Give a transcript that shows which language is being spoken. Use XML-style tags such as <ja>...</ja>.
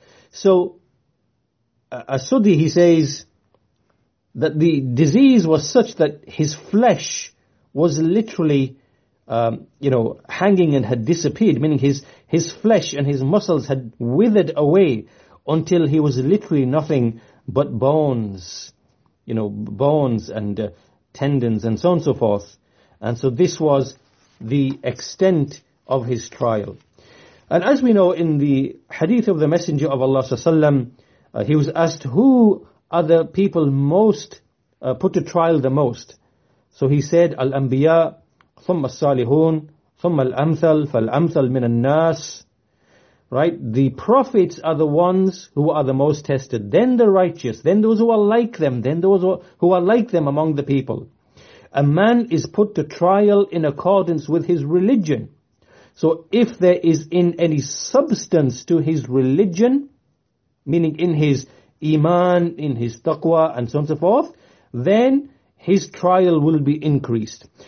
<en>So, As-Sudi, he says that the disease was such that his flesh was literally, hanging and had disappeared, meaning his flesh and his muscles had withered away until he was literally nothing but bones, you know, bones and tendons and so on and so forth. And so this was the extent of his trial. And as we know in the hadith of the Messenger of Allah Sallallahu Alaihi Wasallam, he was asked, who are the people most put to trial the most? So he said, Al-Anbiya,</en> <ar>ثم الصالحون ثم الأمثل فالأمثل من الناس.</ar> <en>Right? The prophets are the ones who are the most tested. Then the righteous. Then those who are like them. Then those who are like them among the people. A man is put to trial in accordance with his religion. So if there is in any substance to his religion, meaning in his iman, in his taqwa, and so on and so forth, then his trial will be increased.</en>